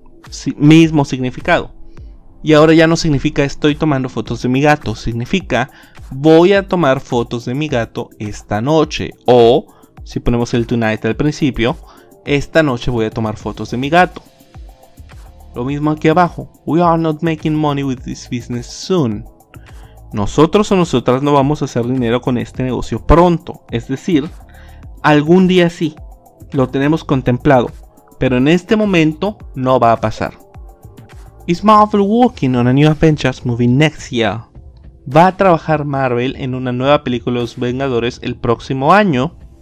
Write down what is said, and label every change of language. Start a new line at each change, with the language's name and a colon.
Spanish: Sí, mismo significado. Y ahora ya no significa estoy tomando fotos de mi gato, significa voy a tomar fotos de mi gato esta noche. O, si ponemos el tonight al principio, esta noche voy a tomar fotos de mi gato. Lo mismo aquí abajo.
English: We are not making money with this business soon.
Spanish: Nosotros o nosotras no vamos a hacer dinero con este negocio pronto. Es decir, algún día sí, lo tenemos contemplado, pero en este momento no va a pasar.
English: Is Marvel working on a new Avengers movie next year?
Spanish: ¿Va a trabajar Marvel en una nueva película de los Vengadores el próximo año?